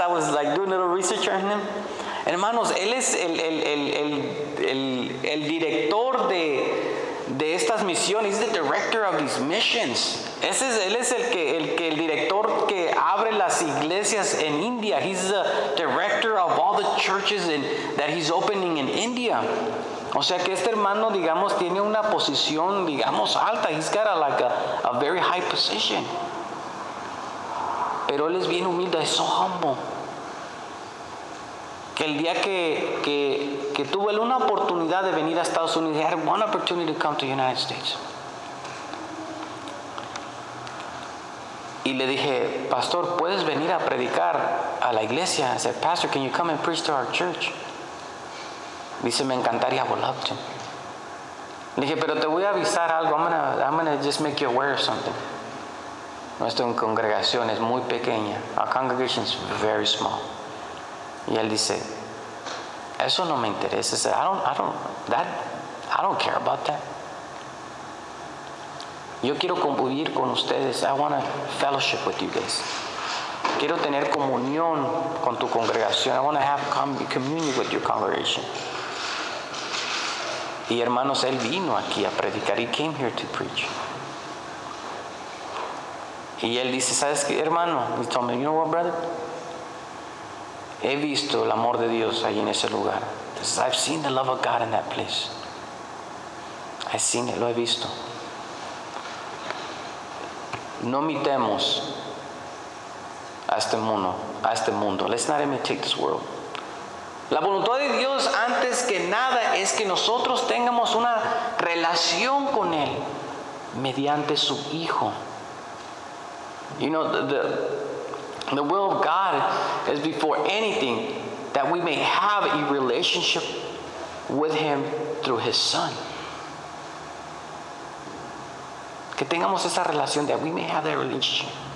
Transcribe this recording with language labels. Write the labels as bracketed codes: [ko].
[en] I was like doing a little research on him. [es] Hermanos, él es el director de estas misiones. [en] He's the director of these missions. [es] Él es el director que abre las iglesias en India. [en] He's the director of all the churches that he's opening in India. [es] O sea que este hermano, digamos, tiene una posición, digamos, alta. [en] He's got a very high position. [es] Pero él es bien humilde, es so humble. Que el día que tuvo una oportunidad de venir a Estados Unidos, [en] he had one opportunity to come to the United States. [es] Y le dije, pastor, ¿puedes venir a predicar a la iglesia? [en] I said, pastor, can you come and preach to our church? [es] Dice, me encantaría, volar. Le dije, pero te voy a avisar algo. [en] I'm gonna just make you aware of something. [es] Nuestra congregación es muy pequeña. [en] Our congregation is very small. [es] Y él dice, eso no me interesa. [en] He said, I don't care about that. [es] Yo quiero convivir con ustedes. [en] I want to fellowship with you guys. [es] Quiero tener comunión con tu congregación. [en] I want to have communion with your congregation. [es] Y hermanos, él vino aquí a predicar. [en] He came here to preach. [es] Y él dice, ¿sabes qué, hermano? [en] He told me, you know what, brother? [es] He visto el amor de Dios ahí en ese lugar. [en] He says, I've seen the love of God in that place. I've seen it, [es] lo he visto. No imitemos a este mundo. [en] Let's not imitate this world. [es] La voluntad de Dios, antes que nada, es que nosotros tengamos una relación con Él mediante su Hijo. [en] You know, the will of God is before anything that we may have a relationship with Him through His Son. [es] Que tengamos esa relación, [en] that we may have that relationship.